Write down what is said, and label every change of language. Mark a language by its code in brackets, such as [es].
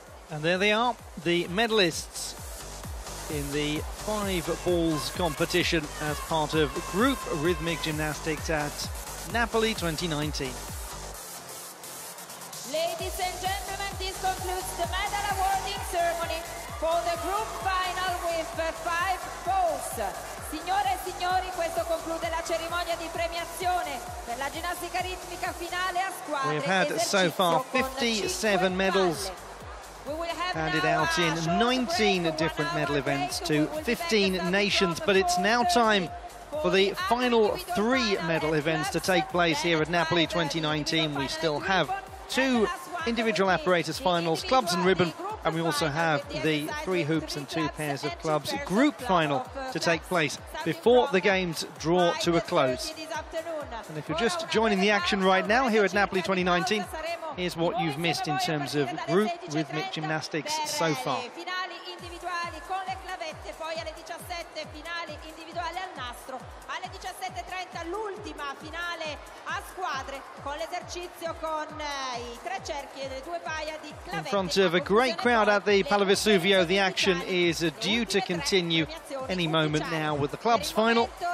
[en] And there they are, the medalists in the five balls competition as part of group rhythmic gymnastics at Napoli 2019. Ladies and gentlemen, this concludes the medal awarding ceremony for the group final with five balls. Signore e signori, questo conclude la cerimonia di premiazione per la ginnastica ritmica finale a squadre. We have had so far 57 medals handed out in 19 different medal events to 15 nations, but it's now time for the final three medal events to take place here at Napoli 2019. We still have two individual apparatus finals, clubs and ribbon, and we also have the three hoops and two pairs of clubs group final to take place before the games draw to a close. And if you're just joining the action right now here at Napoli 2019, here's what you've missed in terms of group rhythmic gymnastics so far. [it] Finali individuali con le clavette, poi alle 17 finale individuale al nastro, alle 17:30 l'ultima finale a squadre con l'esercizio con I tre cerchi e le due paia di clavette. [en] In front of a great crowd at the Palo Vesuvio, the action is due to continue any moment now with the club's final.